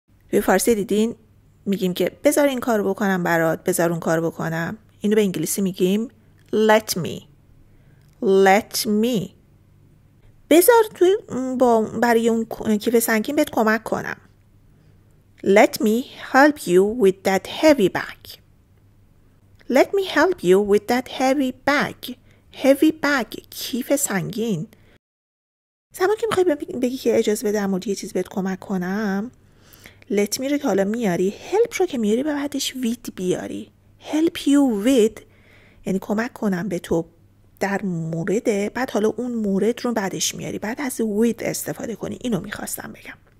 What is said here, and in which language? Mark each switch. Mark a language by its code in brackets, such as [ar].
[fa] به فارسی دیدین میگیم که بذار این کارو بکنم برات، بذار اون کارو بکنم. اینو به انگلیسی میگیم let me. بذار توی با برای اون کیف سنگین بهت کمک کنم. [en] Let me help you with that heavy bag. [fa] Heavy bag کیف سنگین. زمان که میخوای بگی که اجازه بده مورد یه چیز بهت کمک کنم، let me رو که حالا میاری، help رو که میاری به بعدش with بیاری. Help you with یعنی کمک کنم به تو در مورد، بعد حالا اون مورد رو بعدش میاری، بعد از with استفاده کنی. اینو میخواستم بگم.